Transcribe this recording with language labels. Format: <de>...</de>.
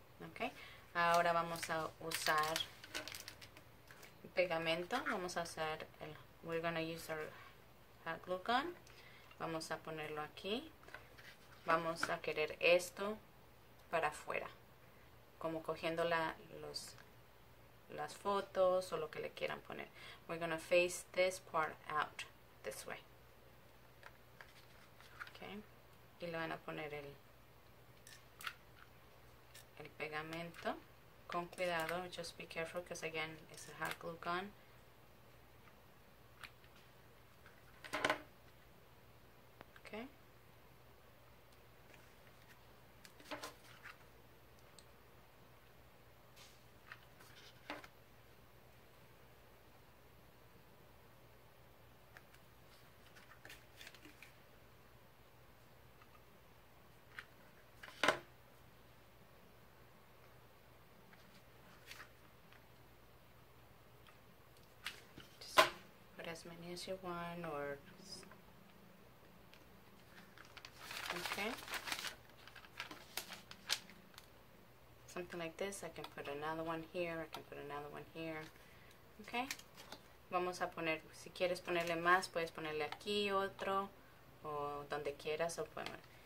<es>Okay. Ahora vamos a usar pegamento. Vamos a usar el.</es> <en>We're gonna use our hot glue gun.</en> <es>Vamos a ponerlo aquí. Vamos a querer esto para afuera. como cogiendo las fotos o lo que le quieran poner.</es> <en>We're gonna face this part out this way.</en> <es>Okay. Y le van a poner el pegamento. Con cuidado,</es> <en>just be careful, because again, it's a hot glue gun. As many as you want, or okay, something like this. I can put another one here, I can put another one here.</en> <es>Okay, vamos a poner, si quieres ponerle más, puedes ponerle aquí otro, o donde quieras, o podemos.</es>